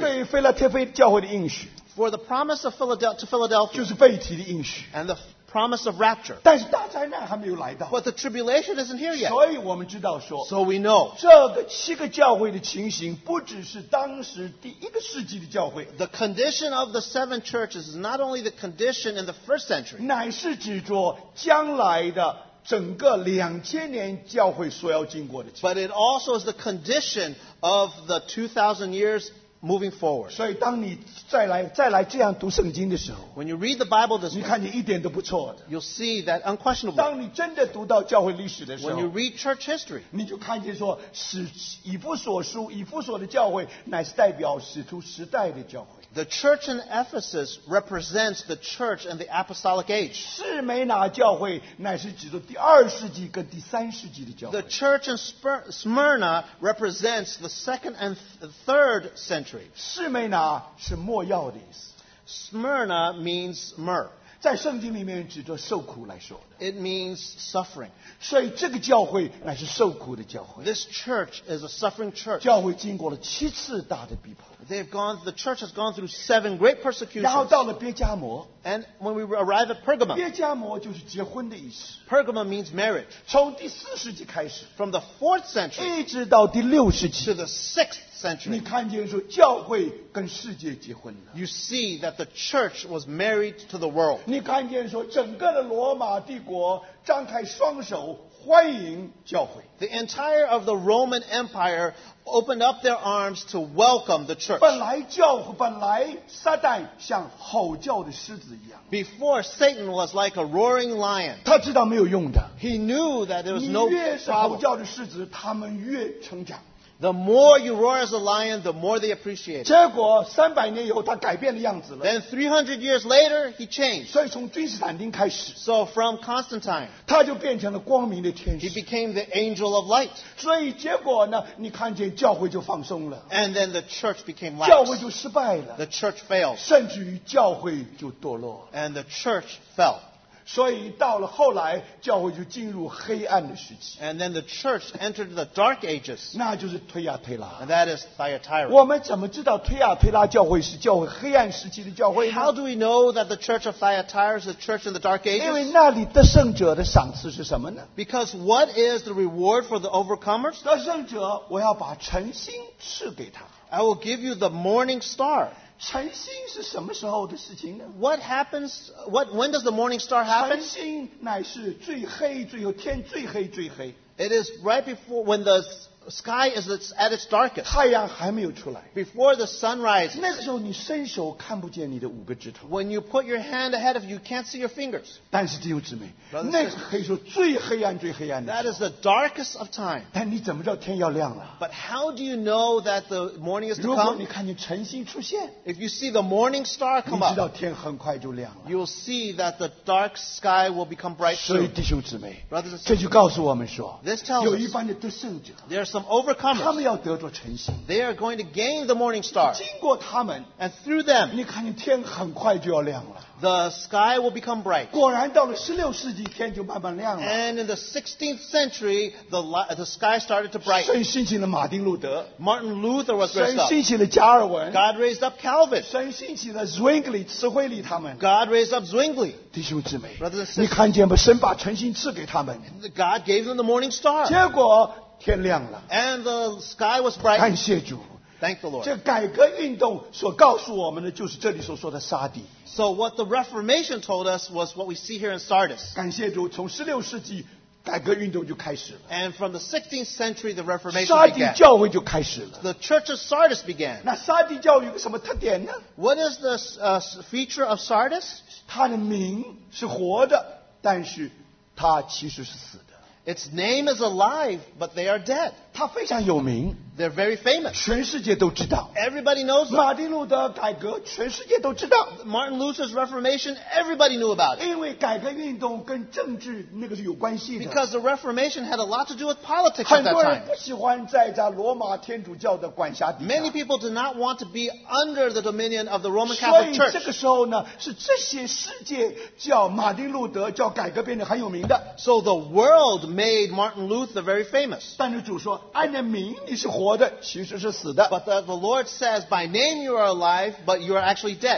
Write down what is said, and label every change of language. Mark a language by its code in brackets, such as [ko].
[zh] 对腓立帖菲教会的应许。 [en] For the promise of Philadelphia, to Philadelphia, [zh] 就是被提的应许。 [en] And the promise of rapture. [zh] 但是大灾难还没有来到。 [en] But the tribulation isn't here yet. [zh] 所以我们知道说。 [en] So we know. [zh] 这个七个教会的情形不只是当时第一个世纪的教会。 [en] The condition of the seven churches is not only the condition in the first century. [zh] 乃是指着将来的整个两千年教会所要经过的情形。 [en] But it also is the condition of the 2000 years moving forward. [zh] 所以当你再来这样读圣经的时候 [en] when you read the Bible this way, [zh] 你看你一点都不错的 [en] you'll see that unquestionable. [zh] 当你真的读到教会历史的时候 [en] when you read church history, [zh] 你就看见说以弗所书以弗所的教会乃是代表使徒时代的教会 [en] the church in Ephesus represents the church in the apostolic age. [zh] 士美拿教会乃是指着第二世纪跟第三世纪的教会 [en] the church in Smyrna represents the second and third century. [zh] 士美拿是末药的意思。 [en] Smyrna means myrrh. [zh] 在圣经里面指着受苦来说的。 [en] It means suffering. [zh] 所以这个教会乃是受苦的教会。 [en] This church is a suffering church. [zh] 教会经过了七次大的逼迫。 [en] The church has gone through seven great persecutions. [zh] 然后到了别加摩。 [en] And when we arrive at Pergamum. [zh] 别加摩就是结婚的意思。 [en] Pergamum means marriage. [zh] 从第四世纪开始。 [en] From the fourth century. [zh] 一直到第六世纪。 [en] To the sixth century. [zh] 你看见说教会跟世界结婚了。 [en] You see that the church was married to the world. [zh] 你看见说整个的罗马帝国张开双手欢迎教会。 [en] The entire of the Roman Empire opened up their arms to welcome the church. [zh] 本来撒旦像吼叫的狮子一样。 [en] Before Satan was like a roaring lion. [zh] 他知道没有用的。 [en] He knew that there was no problem. [zh] 你越是吼叫的狮子，他们越成长。 [en] The more you roar as a lion, the more they appreciate it. [zh] 结果三百年以后，他改变了样子了。 [en] Then 300 years later, he changed. [zh] 所以从君士坦丁开始。 [en] So from Constantine, [zh] 他就变成了光明的天使。 [en] He became the angel of light. [zh] 所以结果呢，你看见教会就放松了。 [en] And then the church became lax. [zh] 教会就失败了。 [en] The church failed. [zh] 甚至于教会就堕落。 [en] And the church fell. [zh] 所以到了后来教会就进入黑暗的时期 [en] and then the church entered the dark ages [zh] 那就是推亚推拉 [en] and that is Thyatira [zh] 我们怎么知道推亚推拉教会是教会黑暗时期的教会呢 [en] how do we know that the church of Thyatira is the church in the dark ages [zh] 因为那里得胜者的赏赐是什么呢 [en] because what is the reward for the overcomers [zh] 得胜者我要把晨星赐给他 [en] I will give you the morning star [zh] 晨星是什么时候的事情呢? [en] What happens? When does the morning star happen? [zh] 晨星乃是最黑最后天最黑最黑. [en] It is right before when the sky is at its darkest. [zh] 太阳还没有出来. [en] Before the sun rises. [zh] 那个时候你伸手看不见你的五个指头. [en] When you put your hand ahead of you, you can't see your fingers. [zh] 但是弟兄姊妹, 那个黑时候最黑暗最黑暗的时候. [en] That is the darkest of time. [zh] 但你怎么知道天要亮了? [en] But how do you know that the morning is to come? [zh] 如果你看见晨星出现, [en] if you see the morning star come up, [zh] 你知道天很快就亮了. [en] You'll see that the dark sky will become bright soon. [zh] 所以弟兄姊妹, [en] brothers and sisters, [zh] 这就告诉我们说, [en] this tells us, [zh] 有一般的得胜者, [en] there are some overcomers. They are going to gain the morning star. [zh] 经过他们, [en] and through them, [zh] 你看见天很快就要亮了, [en] the sky will become bright. [zh] 果然到了16世纪, 天就慢慢亮了, [en] and in the 16th century, the sky started to brighten. [zh] 神兴起了马丁路德, [en] Martin Luther was raised up. [zh] 神兴起了加尔文, [en] God raised up Calvin. [zh] 神兴起了Zwingli, 智慧里他们, [en] God raised up Zwingli. [zh] 弟兄姊妹, [en] brothers and sisters, [zh] 你看见吗?神把晨星赐给他们, [en] God gave them the morning star. [zh] 结果, [en] and the sky was bright. [zh] 感谢主, [en] thank the Lord. [zh] 这改革运动所告诉我们的就是这里所说的沙迪. [en] So what the Reformation told us was what we see here in Sardis. [zh] 感谢主, 从16世纪, 改革运动就开始了. [en] And from the 16th century, the Reformation began. The Church of Sardis began. [zh] 那沙迪教会有什么特点呢? [en] What is the feature of Sardis? [zh] 它的名是活的, 但是它其实是死的. [en] Its name is alive, but they are dead. [zh] 他非常有名, [en] they're very famous. [zh] 全世界都知道, [en] everybody knows them. [zh] 马丁路德改革, 全世界都知道, [en] Martin Luther's Reformation, everybody knew about it. [zh] 因为改革运动跟政治, 那个是有关系的, [en] because the Reformation had a lot to do with politics at that time. [zh] 很多人不喜欢在罗马天主教的管辖底下, [en] many people did not want to be under the dominion of the Roman Catholic Church. [zh] 所以这个时候呢, 是这些世界叫, 马丁路德, 叫改革变得很有名的, [en] so the world made Martin Luther very famous. [zh] 但是主说, 按着名你是活的, 其实是死的, [en] but the Lord says, by name you are alive, but you are actually dead.